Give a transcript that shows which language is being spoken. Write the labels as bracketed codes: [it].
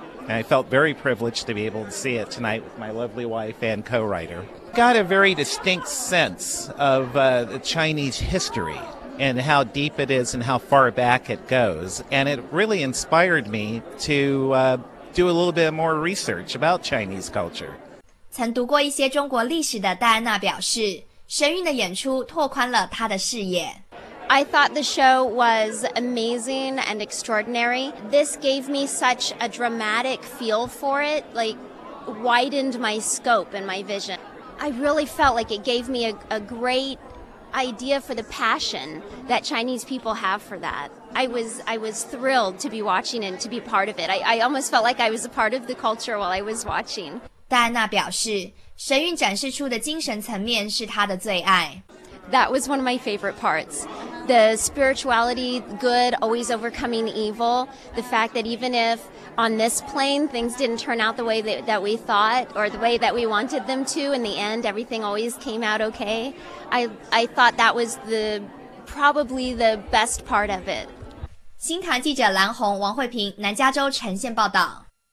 [en] And I felt very privileged to be able to see it tonight with my lovely wife and co-writer. Got a very distinct sense of the Chinese history and how deep it is and how far back it goes. And it really inspired me to do a little bit more research about Chinese culture. [zh] 曾读过一些中国历史的戴安娜表示，神韵的演出拓宽了她的视野。 [en] I thought the show was amazing and extraordinary. This gave me such a dramatic feel for it, like widened my scope and my vision. I really felt like it gave me a great idea for the passion that Chinese people have for that. I was thrilled to be watching and to be part of it. I almost felt like I was a part of the culture while I was watching. [zh] 戴安娜表示，神韵展示出的精神层面是她的最爱。 [en] That was one of my favorite parts. The spirituality, good, always overcoming evil. The fact that even if on this plane things didn't turn out the way that we thought or the way that we wanted them to, in the end everything always came out okay. I thought that was probably the best part of it. [zh] 新唐记者蓝红、王慧平，南加州呈现报道。